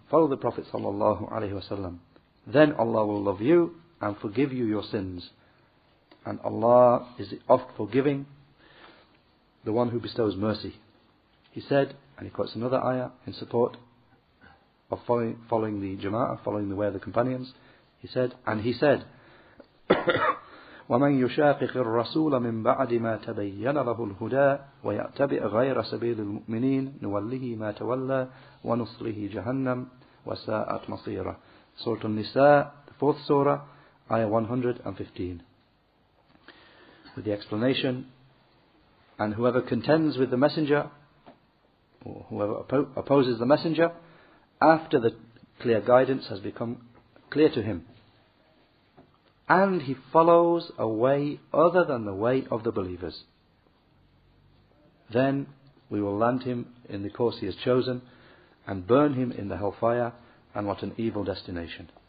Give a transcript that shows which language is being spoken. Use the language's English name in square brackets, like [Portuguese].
[English] Follow the Prophet sallallahu alayhi wa sallam. Then Allah will love you and forgive you your sins. And Allah is the oft-forgiving, the one who bestows mercy. He said, and he quotes another ayah in support of following the Jama'ah, following the way of the companions. He said, and he said, [Arabic] وَمَنْ يُشَاقِقِ الرَّسُولَ مِنْ بَعْدِ مَا تَبَيَّنَ لَهُ الْهُدَى وَيَأْتَبِئَ غَيْرَ سَبِيلِ الْمُؤْمِنِينَ نُوَلِّهِ مَا تَوَلَّى وَنُصْلِهِ جَهَنَّمْ وَسَاءَتْ مَصِيرًا [English] Surah An-Nisa, the fourth surah, ayah 115. With the explanation, and whoever contends with the messenger, or whoever opposes the messenger, after the clear guidance has become clear to him, and he follows a way other than the way of the believers, then we will land him in the course he has chosen, and burn him in the hellfire, and what an evil destination.